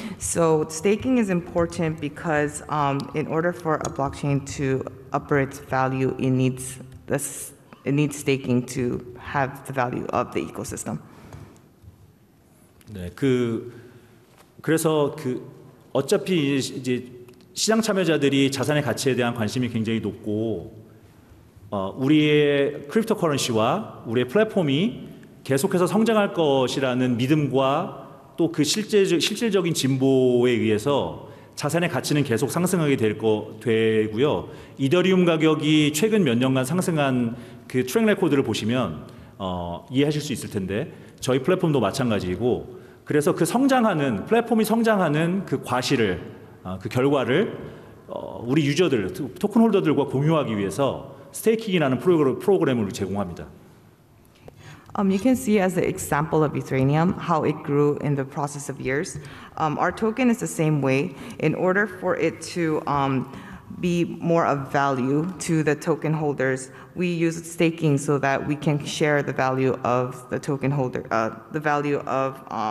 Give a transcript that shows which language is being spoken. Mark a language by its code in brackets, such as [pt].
[en] So staking is important because in order for a blockchain to upper its value, it needs staking to have the value of the ecosystem. [ko] 네, 그래서 어차피 이제 시장 참여자들이 자산의 가치에 대한 관심이 굉장히 높고 우리의 크립토 커런시와 우리의 플랫폼이 계속해서 성장할 것이라는 믿음과 또 그 실질적인 진보에 의해서 자산의 가치는 계속 상승하게 되고요. 이더리움 가격이 최근 몇 년간 상승한 그 트랙 레코드를 보시면 이해하실 수 있을 텐데 저희 플랫폼도 마찬가지이고 그래서 그 성장하는 플랫폼이 성장하는 그 과실을 그 결과를 우리 유저들 토큰 홀더들과 공유하기 위해서 스테이킹이라는 프로그램을 제공합니다. [en] You can see as an example of Ethereum how it grew in the process of years. Our token is the same way. In order for it to be more of value to the token holders, we use staking so that we can share the value of the token holder, the value of